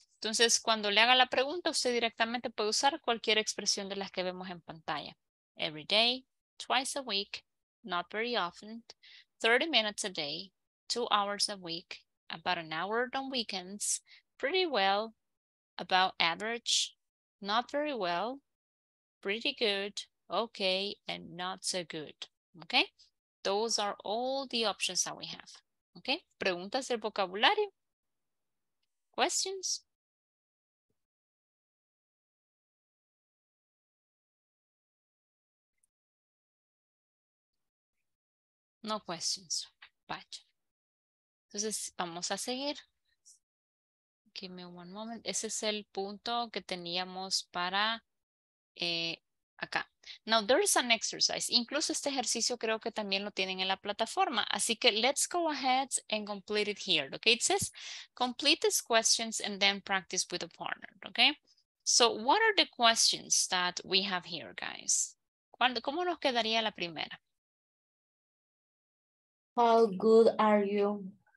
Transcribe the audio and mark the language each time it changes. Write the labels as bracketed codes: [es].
[es] Entonces, cuando le haga la pregunta, usted directamente puede usar cualquier expresión de las que vemos en pantalla. [en] Every day, twice a week, not very often, 30 minutes a day, 2 hours a week, about an hour on weekends, pretty well, about average, not very well, pretty good, okay, and not so good, okay? Those are all the options that we have. [es] Okay? Preguntas del vocabulario. Questions. [en] No questions. Vaya. [es] Entonces, vamos a seguir. [en] Give me one moment. [es] Ese es el punto que teníamos para... acá. [en] Now there is an exercise. [es] Incluso este ejercicio creo que también lo tienen en la plataforma. [en] Así que let's go ahead and complete it here. Okay, it says complete these questions and then practice with a partner. Okay, so what are the questions that we have here, guys? [es] ¿Cómo nos quedaría la primera? [en] How good are you?